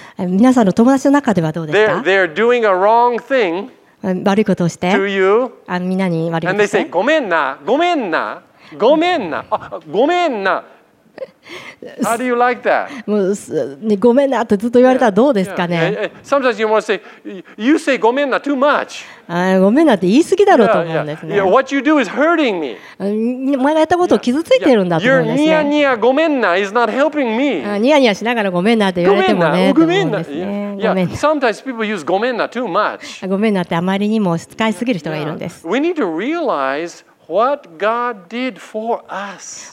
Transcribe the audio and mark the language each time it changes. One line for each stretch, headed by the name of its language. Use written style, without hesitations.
Japanese: 皆さんの友達の中ではどうですか？
English: They're doing a wrong thing.
Japanese: 悪いことをして、あのみんなに悪いことをして、
English: And they say, ごめんな、ごめんな、ごめんな、ごめんな。How do you like that?
Japanese: もう、ね、ごめんなってずっと言われたらどうですかね。 yeah, yeah.
English: Sometimes you want to say, you say ごめんな too much.
Japanese: ごめんなって言い過ぎだろうと思うんですね。
English: yeah, yeah. Yeah, What you do is hurting me.
Japanese: お前がやったことを傷ついてるんだと思うんですね。
English: yeah, yeah. Your ニヤニヤごめんな is not helping me.
Japanese: ニヤニヤしながらごめんなって言われてもね。
English: ごめんな。Sometimes people use ごめんな too much.
Japanese: ごめんなってあまりにも使いすぎる人がいるんです。
English: yeah. We need to realizeWhat God did for us.